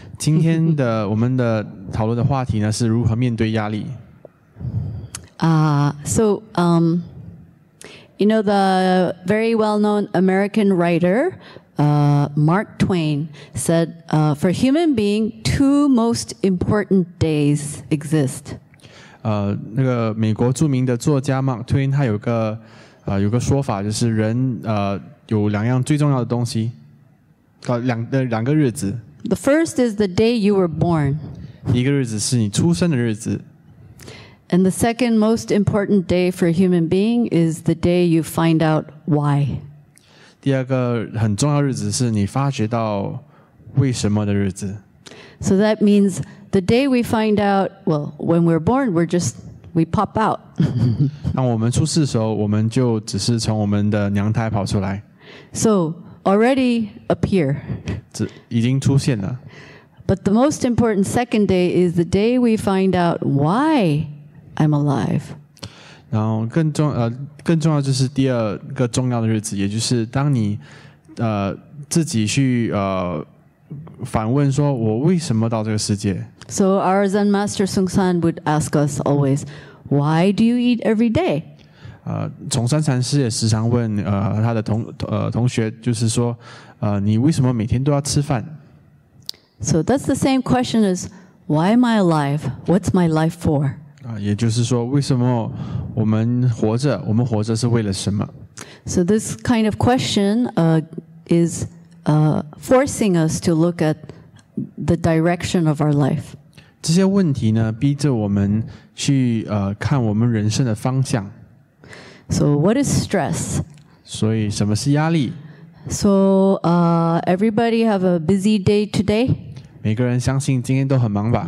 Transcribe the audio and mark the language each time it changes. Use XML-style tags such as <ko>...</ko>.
<zh>今天的我们的讨论的话题呢是如何面对压力。</zh> <en>You know the very well-known American writer,Mark Twain said, for human being, two most important days exist.</en> <zh>那个美国著名的作家 Mark Twain, 他有个有个说法，就是人有两样最重要的东西，两个日子。</zh> <en>The first is the day you were born.</en> <zh>一个日子是你出生的日子。</zh> <en>And the second most important day for a human being is the day you find out why.</en> <zh>第二个很重要的日子是你发觉到为什么的日子。</zh> <en>So that means the day we find out, well, when we're born, we pop out.</en> <zh>当我们出世的时候，我们就只是从我们的娘胎跑出来。</zh> <en>So already appear.</en> <zh>已经出现了。</zh> <en>But the most important second day is the day we find out why I'm alive.</en> <zh>然后更重要就是第二个重要的日子，也就是当你自己去反问说我为什么到这个世界。</zh> <en>So our Zen Master Sung San would ask us always, why do you eat every day?</en> <zh>崇山禅师也时常问他的同学，就是说你为什么每天都要吃饭。</zh> <en>So that's the same question as, why am I alive? What's my life for?</en> <zh>也就是说，为什么我们活着？我们活着是为了什么</zh> <en>？So this kind of question is forcing us to look at the direction of our life.</en> <zh>这些问题呢，逼着我们去看我们人生的方向。</zh> <en>So what is stress?</en> <zh>所以什么是压力</zh> <en>？So everybody have a busy day today.</en> <zh>每个人相信今天都很忙吧</zh>